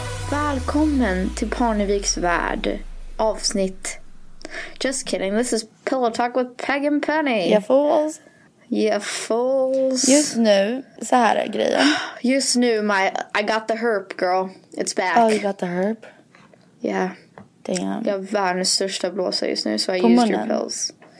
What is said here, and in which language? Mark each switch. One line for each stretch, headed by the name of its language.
Swedish: Välkommen till Parneviks värld, avsnitt...
English: Just kidding, this is Pillow Talk with Peg and Penny. Yeah, fools. Yeah, fools.
Swedish: Just nu, så här är grejen. Just nu,
English: I got the herp, girl. It's back. Oh, you got the herp? Yeah. Damn.
Swedish: Jag har världens största blåsa just nu, så
English: I used your pills.